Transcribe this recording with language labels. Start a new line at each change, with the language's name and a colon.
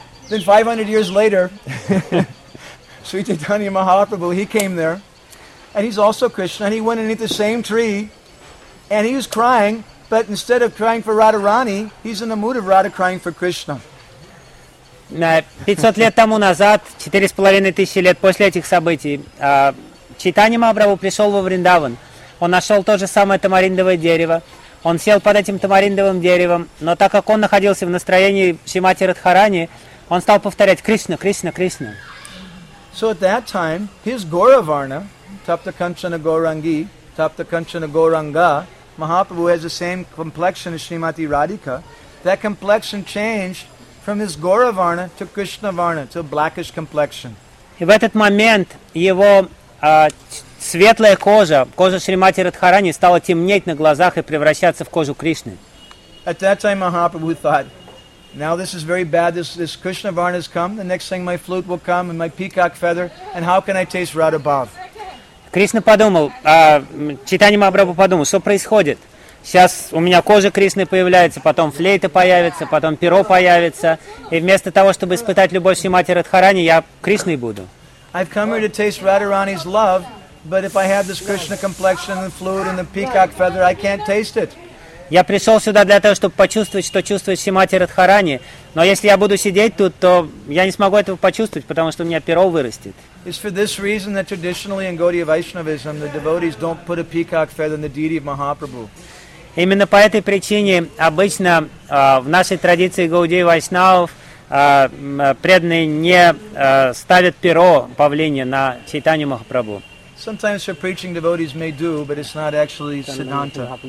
English: Then 500 years later, Sri Chaitanya Mahaprabhu, he came there, and he's also Krishna, and he went underneath the same tree, and he was crying, but instead of crying for Radharani, he's in the mood of Radha crying for Krishna.
Russian: 500 лет тому назад, 4,5 тысячи лет после этих событий, Чайтанья Махапрабху пришел во Вриндаван. Он нашел то же самое тамариндовое дерево. Он сел под этим тамариндовым деревом. Но так как он находился в настроении Шримати Радхарани, он стал повторять «Кришна, Кришна, Кришна».
English: So at that time, his Gauravarna, Tapta Kanchana Gaurangi, Tapta Kanchana Gauranga, Mahaprabhu has the same complexion as Srimati Radhika. That complexion changed from his Gauravarna to Krishna Varna, to a blackish complexion.
Russian: И в этот момент его светлая кожа, кожа Шримати Радхарани, стала темнеть на глазах и превращаться в кожу Кришны.
English: At that time, Mahaprabhu thought, now this is very bad, this Krishna Varna has come, the next thing my flute will come and my peacock feather, and how can I taste Radha Bhav?
Russian: Кришна подумал, Чайтанья Махапрабху подумал, что происходит? Сейчас у меня кожа Кришны появляется, потом флейта появится, потом перо появится, и вместо того, чтобы испытать любовь Шримати Радхарани, я Кришной буду.
English: I've come here to taste Radharani's love, but if I have this Krishna complexion and flute and the peacock feather, I can't taste it.
Russian: Я пришел сюда для того, чтобы почувствовать, что чувствует Шримати Радхарани, но если я буду сидеть тут, то я не смогу этого почувствовать, потому что у меня перо вырастет.
English: It's for this reason that traditionally in Gaudiya Vaishnavism the devotees don't put a peacock feather in the deity of Mahaprabhu.
Russian: Именно по этой причине обычно в нашей традиции Гаудии Вайшнавов преданные не ставят перо павлиния на Чайтанью Махапрабху.
English: Sometimes for preaching devotees may do, but it's not actually siddhanta.